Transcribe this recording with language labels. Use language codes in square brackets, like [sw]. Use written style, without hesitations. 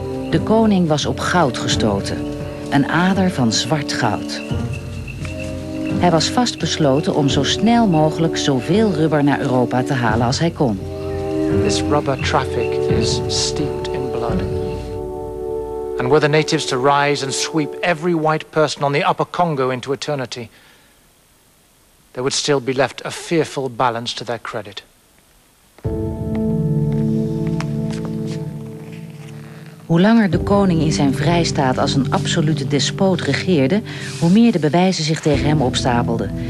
[nl] De koning was op goud gestoten, een ader van zwart goud. Hij was vastbesloten om zo snel mogelijk zoveel rubber naar Europa te halen als hij kon. [en] This rubber traffic is steeped in blood. And were the natives to rise and sweep every white person on the upper Congo into eternity, there would still be left a fearful balance to their credit. [nl] Hoe langer de koning in zijn vrijstaat als een absolute despoot regeerde, hoe meer de bewijzen zich tegen hem opstapelden.